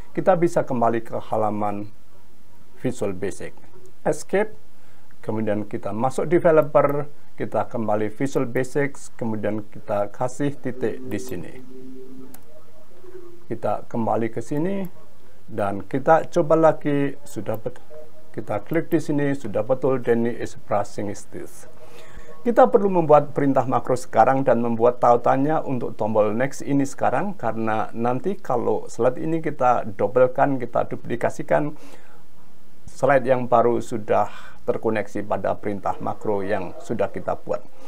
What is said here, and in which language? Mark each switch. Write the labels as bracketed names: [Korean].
[Indonesian] Kita bisa kembali ke halaman Visual Basic. Escape, kemudian kita masuk developer, kita kembali Visual Basic, kemudian kita kasih titik di sini. Kita kembali ke sini, dan kita coba lagi, sudah betul. Kita klik di sini, sudah betul, [English] Danny is brushing his teeth. [Indonesian] Kita perlu membuat perintah makro sekarang dan membuat tautannya untuk tombol next ini sekarang, karena nanti kalau slide ini kita dobelkan, kita duplikasikan, slide yang baru sudah terkoneksi pada perintah makro yang sudah kita buat.